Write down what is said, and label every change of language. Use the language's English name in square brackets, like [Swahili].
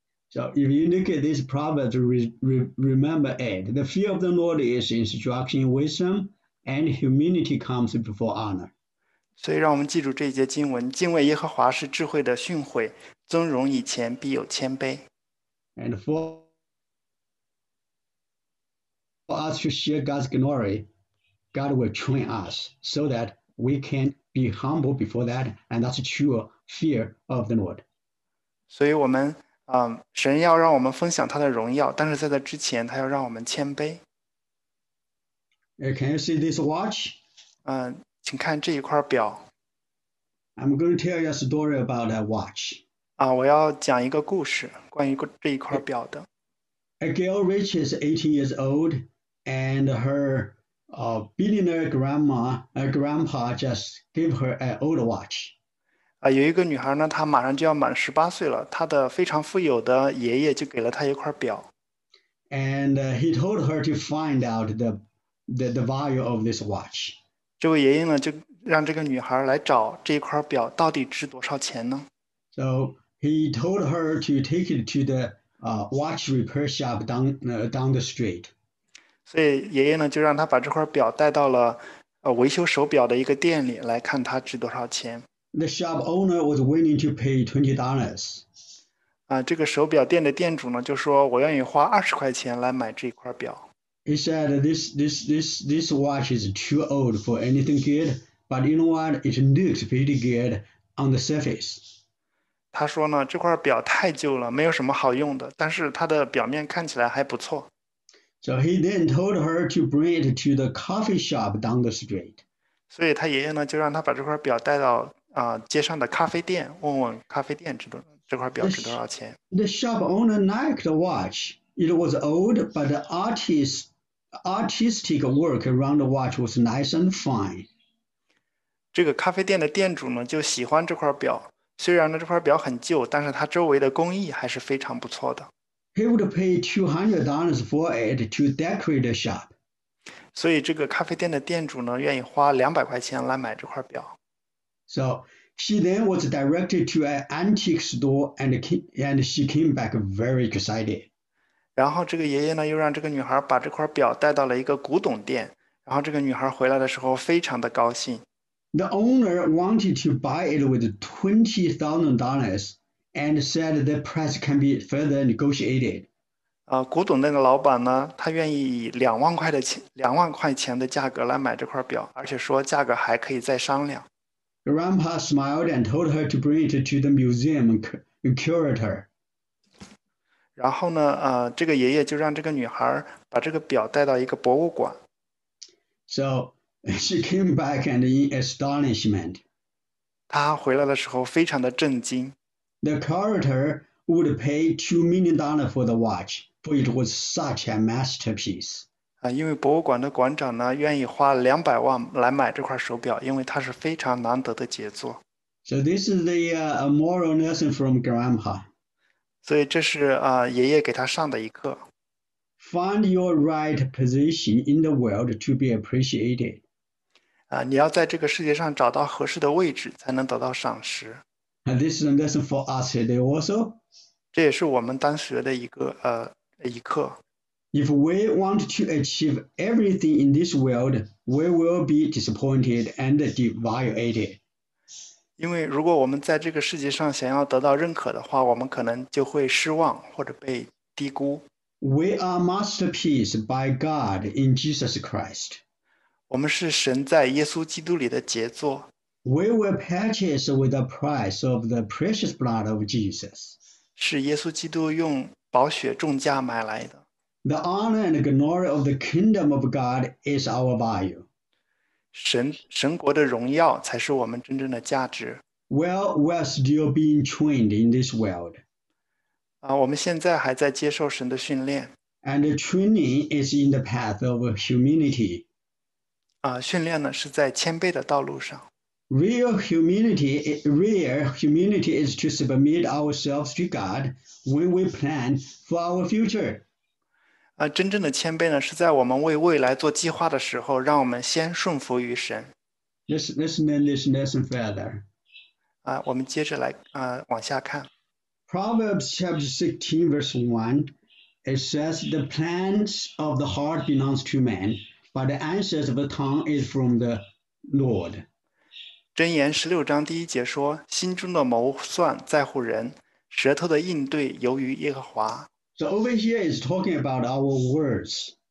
[English] So if you look at this proverb, remember it. The fear of the Lord is instruction in wisdom, and humility comes before honor. [Chinese] 所以，让我们记住这一节经文：敬畏耶和华是智慧的训诲，尊荣以前必有谦卑。 [English] And for us to share God's glory, God will train us so that we can be humble before that, and that's true fear of the Lord. [Chinese] 所以，我们神要让我们分享他的荣耀，但是在这之前，他要让我们谦卑。 [English] Can you see this watch? [Chinese] 请看这一块表。 [English] I'm going to tell you a story about that watch. [Chinese] 我要讲一个故事，关于这一块表的。 [English] A girl reaches 18 years old, and her billionaire grandma, a grandpa, just gave her an old watch. [Chinese] 有一个女孩呢，她马上就要满十八岁了，她的非常富有的爷爷就给了她一块表。 [English] And he told her to find out the value of this watch. [Chinese] 这位爷爷呢，就让这个女孩来找这一块表到底值多少钱呢？ [English] So he told her to take it to the watch repair shop down the street. [Chinese] 所以爷爷呢，就让她把这块表带到了维修手表的一个店里，来看它值多少钱。 [English] The shop owner was willing to pay $20. [Chinese] 这个手表店的店主呢，就说我愿意花20块钱来买这一块表。 [English] He said, this watch is too old for anything good, but you know what? It looks pretty good on the surface. [Chinese] 他说呢，这块表太旧了，没有什么好用的，但是它的表面看起来还不错。 [English] So he then told her to bring it to the coffee shop down the street. [Chinese] 所以他爷爷呢，就让他把这块表带到街上的咖啡店，问问咖啡店这块表值多少钱。 [English] The shop owner liked the watch. It was old, but the artistic work around the watch was nice and fine. [Chinese] 这个咖啡店的店主呢，就喜欢这块表。虽然呢，这块表很旧，但是它周围的工艺还是非常不错的。 [English] He would pay $200 for it to decorate the shop. [Chinese] 所以这个咖啡店的店主呢，愿意花200块钱来买这块表。 [English] So she then was directed to an antique store, and she came back very excited. [Chinese] 然后这个爷爷呢，又让这个女孩把这块表带到了一个古董店，然后这个女孩回来的时候非常的高兴。 [English] The owner wanted to buy it with $20,000 and said the price can be further negotiated. [Chinese] 古董店的老板呢，他愿意以两万块钱的价格来买这块表，而且说价格还可以再商量。 [English] Grandpa smiled and told her to bring it to the museum curator. [Chinese] 然后呢，这个爷爷就让这个女孩把这个表带到一个博物馆。 [English] So she came back and in astonishment. [Chinese] 她回来的时候非常的震惊。 [English] The curator would pay $2 million for the watch, for it was such a masterpiece. [Chinese] 因为博物馆的馆长呢，愿意花200万来买这块手表，因为它是非常难得的杰作。 [English] So this is the moral lesson from Grandpa. [Chinese] 所以这是爷爷给他上的一课。 [English] Find your right position in the world to be appreciated. [Chinese] 你要在这个世界上找到合适的位置，才能得到赏识。 [English] And this is a lesson for us today also. [Chinese] 这也是我们当学的一课。 [English] If we want to achieve everything in this world, we will be disappointed and devastated. [Chinese] 因为如果我们在这个世界上想要得到认可的话，我们可能就会失望或者被低估。 [English] We are masterpiece by God in Jesus Christ. [Chinese] 我们是神在耶稣基督里的杰作。 [English] We were purchased with the price of the precious blood of Jesus. [Chinese] 是耶稣基督用宝血重价买来的。 [English] The honor and glory of the kingdom of God is our value. [Chinese] 神国的荣耀才是我们真正的价值。 [English] Well, we are still being trained in this world. [Chinese] 我们现在还在接受神的训练。 [English] And the training is in the path of humility. [Chinese] 训练呢是在谦卑的道路上。 [English] Real humility is to submit ourselves to God when we plan for our future. [Chinese] 真正的谦卑呢，是在我们为未来做计划的时候，让我们先顺服于神。 [English] Let's learn this lesson further. [Chinese] 我们接着来往下看。 [English] Proverbs chapter 16 verse 1, it says, "The plans of the heart belongs to man, but the answers of the tongue is from the Lord." [Chinese] 箴言16章第1节说：“心中的谋算在乎人，舌头的应对由于耶和华。 [English] So over here is talking about our words.